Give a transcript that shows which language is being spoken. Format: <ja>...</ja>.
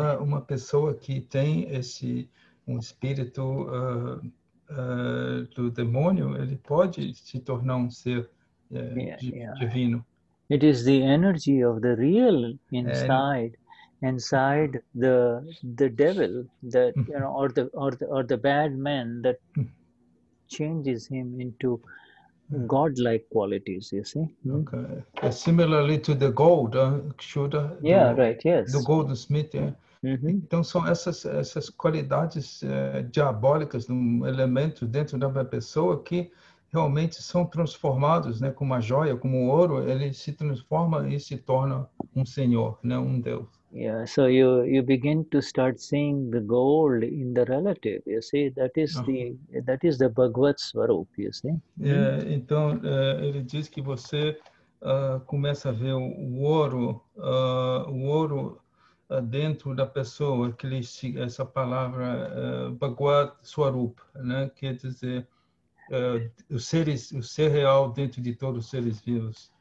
<pt>Uma pessoa que tem esse espírito do demônio, ele pode se tornar ser divino.</pt> <en>It is the energy of the real inside the devil that you know, or the bad man that changes him into God-like qualities, you see. Okay. Similarly to the gold, Shuddha. Yeah, right, yes. The goldsmith, yeah.</en> <pt>Então, são essas qualidades diabólicas de um elemento dentro da pessoa que realmente são transformados, né? Como a joia, como o ouro, ele se transforma e se torna senhor, né? Deus.</pt> <en>Yeah, so you begin to start seeing the gold in the relative, you see, that is the Bhagavat Swarup, you see.</en> <pt>Então ele diz que você começa a ver o ouro dentro da pessoa, essa palavra Bhagavat Swarup, né, quer dizer o ser real dentro de todos os seres vivos.</pt>